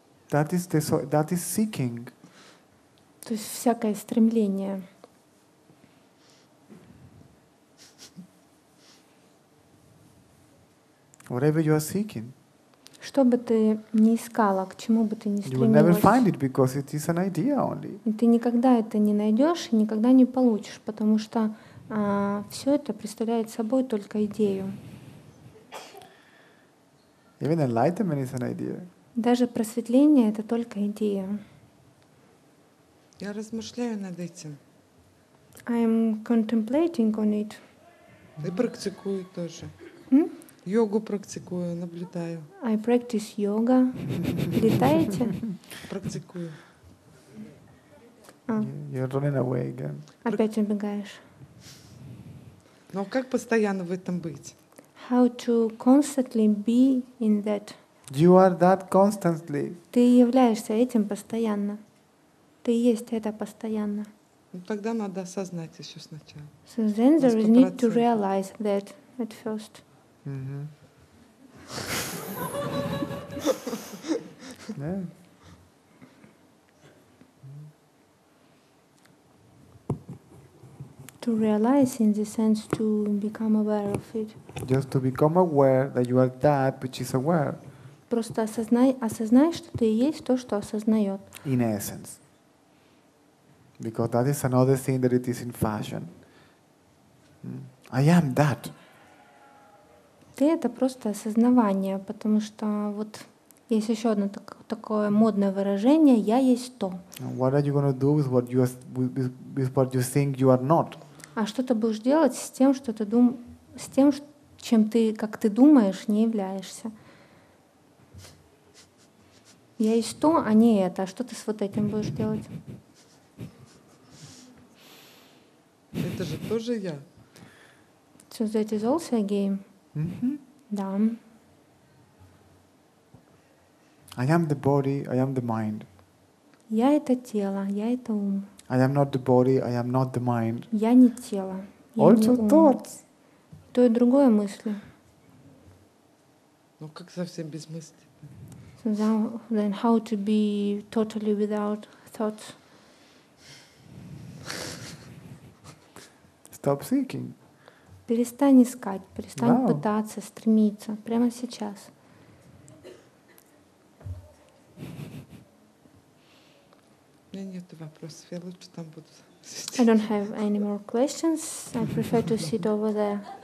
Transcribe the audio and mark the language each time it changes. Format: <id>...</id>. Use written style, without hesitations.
<en>That is seeking.</en> <ru>То есть всякое стремление.</ru> <en>Whatever you are seeking.</en> <ru>Что бы ты ни искала, к чему бы ты ни стремилась.</ru> <en>You will never find it because it is an idea only.</en> <ru>Ты никогда это не найдешь и никогда не получишь, потому что все это представляет собой только идею.</ru> <en>Even enlightenment is an idea.</en> <ru>Даже просветление — это только идея. Я размышляю над этим.</ru> <en>I am contemplating on it.</en> <ru>И практикую тоже. Йогу практикую, наблюдаю.</ru> <en>I practice yoga.</en> <ru>Летаете? Практикую.</ru> <en>You're running away again.</en> <ru>Опять убегаешь. Но как постоянно в этом быть?</ru> <en>How to constantly be in that? You are that constantly.</en> <ru>Ты являешься этим постоянно. Ты есть это постоянно. Ну тогда надо осознать еще сначала.</ru> <en>So then there is need to realize that at first. Mm-hmm. Yeah. To realize in the sense to become aware of it. Just to become aware that you are that which is aware.</en> <ru>Просто осознай, что ты есть то, что осознает.</ru> <en>In essence. Because that is another thing that it is in fashion. I am that.</en> <ru>Ты — это просто осознавание, потому что вот Есть еще одно такое модное выражение: я есть то.</ru> <en>What are you going to do with what you are, with what you think you are not?</en> <ru>А что ты будешь делать с тем, что ты дум, с тем, чем ты, как ты думаешь, не являешься? Я есть то, а не это. А что ты с вот этим будешь делать? Это же тоже я.</ru> <en>So that is also a game. Mm-hmm. Да. I am the body, I am the mind.</en> <ru>Я это тело, я это ум.</ru> <en>I am not the body, I am not the mind.</en> <ru>Я не тело, я</ru> <en>also</en> <ru>не ум.</ru> <en>Thoughts.</en> <ru>То и другое мысли. Ну как совсем без мысли?</ru> <en>So then how to be totally without thoughts? Stop seeking.</en> <ru>Перестань искать, перестань wow. пытаться, стремиться, прямо сейчас. У меня нет вопросов, я лучше там буду сидеть.</ru> <en>I don't have any more questions. I prefer to sit over there.</en>